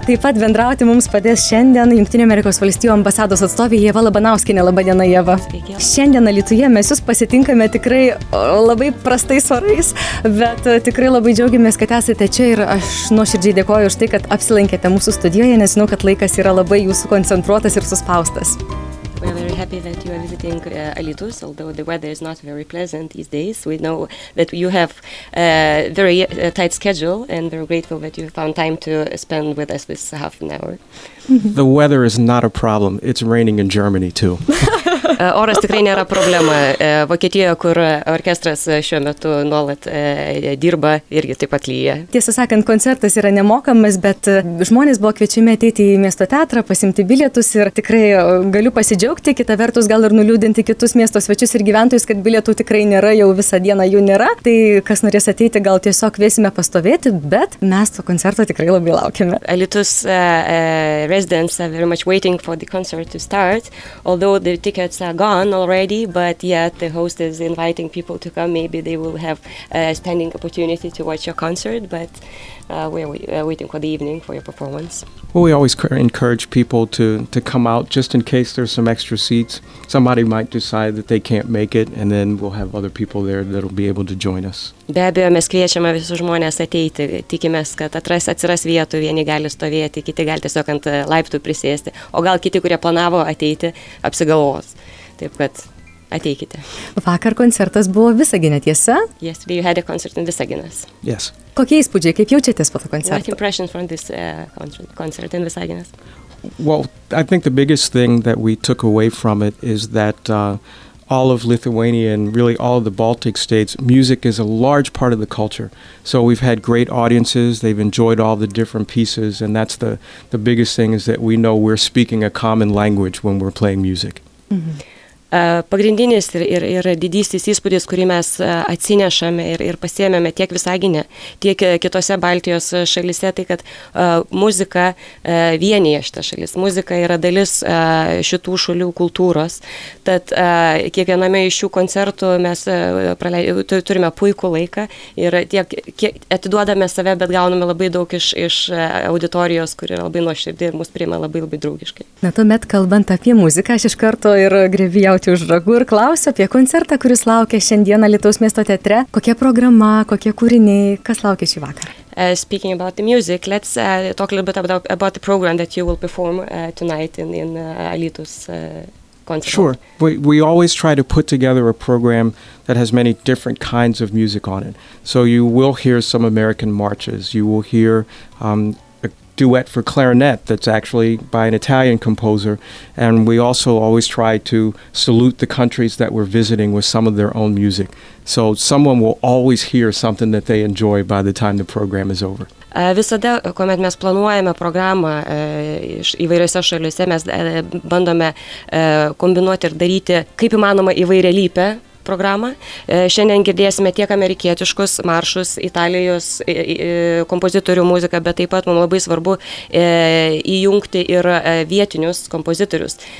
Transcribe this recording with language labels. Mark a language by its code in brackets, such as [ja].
[lt] Taip pat bendrauti mums padės šiandien Jungtinių Amerikos valstijų ambasados atstovė Ieva Labanauskinė. Laba diena, Ieva. Sveiki. Šiandien Alytuje mes jūs pasitinkame tikrai labai prastais orais, bet tikrai labai džiaugiamės, kad esate čia ir aš nuoširdžiai dėkoju už tai, kad apsilankėte mūsų studijoje, nes žinau, kad laikas yra labai jūsų koncentruotas ir suspaustas. [en] We're very happy that you are visiting Alytus, although the weather is not very pleasant these days. We know that you have a very tight schedule and we're grateful that you found time to spend with us this half an hour. The weather is not a problem. It's raining in Germany too. [lt] Oras tikrai nėra problema. Vokietijoje, kur orkestras šiuo metu nuolat dirba, irgi taip pat lyja. Tiesą sakant, koncertas yra nemokamas, bet žmonės buvo kviečiami ateiti į miesto teatrą, pasimti bilietus ir tikrai galiu pasidžiaugti, kita vertus gal ir nuliūdinti kitus miesto svečius ir gyventojus, kad bilietų tikrai nėra, jau visą dieną jų nėra. Tai kas norės ateiti, gal tiesiog kviesime pastovėti, bet mes to koncerto tikrai labai laukiame. [en] Alytus residents are very much waiting for the concert to start, although the tickets are gone already, but yet the host is inviting people to come. Maybe they will have a standing opportunity to watch your concert, but we're waiting for the evening for your performance. Well, we always encourage people to come out just in case there's some extra seats. Somebody might decide that they can't make it, and then we'll have other people there that will be able to join us. [lt] Be abejo, mes kviečiame visus žmonės ateiti. Tikimės, kad atsiras vietų, vieni gali stovėti, kiti gali tiesiog ant laiptų prisėsti. O gal kiti, kurie planavo ateiti, apsigalvos. Taip kad ateikite. Vakar koncertas buvo Visagine, tiesa? [en] Yes, we had a concert in Visaginas. Yes. [lt] Kokie įspūdžiai, kaip jaučiatės po to koncerto? [en] What impression from this concert in Visaginas? Well, I think the biggest thing that we took away from it is that all of Lithuania and really all of the Baltic states, music is a large part of the culture. So we've had great audiences, they've enjoyed all the different pieces, and that's the biggest thing is that we know we're speaking a common language when we're playing music. Mm-hmm. [lt] Pagrindinis ir didysis įspūdis, kurį mes atsinešame ir pasiėmėme tiek Visagine, tiek kitose Baltijos šalyse, tai kad muzika vienyje šitą šalis. Muzika yra dalis šitų šalių kultūros. Tad kiekviename iš šių koncertų mes turime puikų laiką ir tiek atiduodame save, bet gauname labai daug iš auditorijos, kuri yra labai nuoširdi ir mus priima labai labai draugiškai. Na, tuomet kalbant apie muziką, aš iš karto ir grebėjau už ragų ir klausiu apie koncertą, kuris laukia šiandieną Alytaus miesto teatre. Kokia programa, kokie kūriniai, kas laukia šį vakarą? [en] Speaking about the music, let's talk a little bit about the program that you will perform tonight in Alytaus concert. Sure. We always try to put together a program that has many different kinds of music on it. So you will hear some American marches, you will hear duet for clarinet that's actually by an Italian composer, and we also always try to salute the countries that we're visiting with some of their own music. So someone will always hear something that they enjoy by the time the program is over. [lt] Visada, kuomet mes planuojame programą iš įvairiose šaliuose, mes bandome kombinuoti ir daryti kaip įmanoma įvairialypę programą. Šiandien girdėsime tiek amerikietiškus maršus, Italijos kompozitorių muziką, bet taip pat mums labai svarbu įjungti ir vietinius kompozitorius.